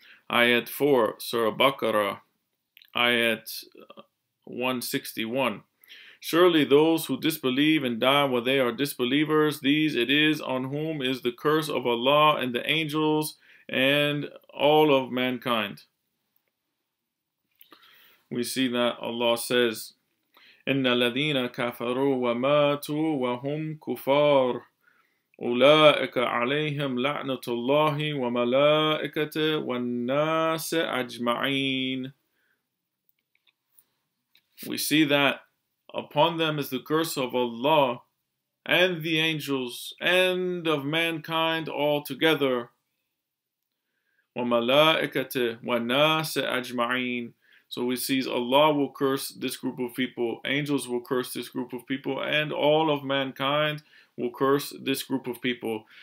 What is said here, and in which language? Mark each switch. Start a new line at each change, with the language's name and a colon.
English: Ayat 4, Surah Baqarah, ayat 161. Surely those who disbelieve and die while they are disbelievers, these it is on whom is the curse of Allah and the angels and all of mankind. We see that Allah says,
Arabic: إِنَّ الَّذِينَ كَفَرُوا وَمَاتُوا وَهُمْ كُفَارُ أُولَٰئِكَ عَلَيْهِمْ لَعْنَةُ اللَّهِ وَمَلَائِكَتِهِ وَالنَّاسِ أَجْمَعِينَ.
English: We see that upon them is the curse of Allah and the angels and of mankind altogether.
Arabic: وَمَلَائِكَتِهِ وَالنَّاسِ أَجْمَعِينَ.
English: So we see Allah will curse this group of people, angels will curse this group of people, and all of mankind will curse this group of people.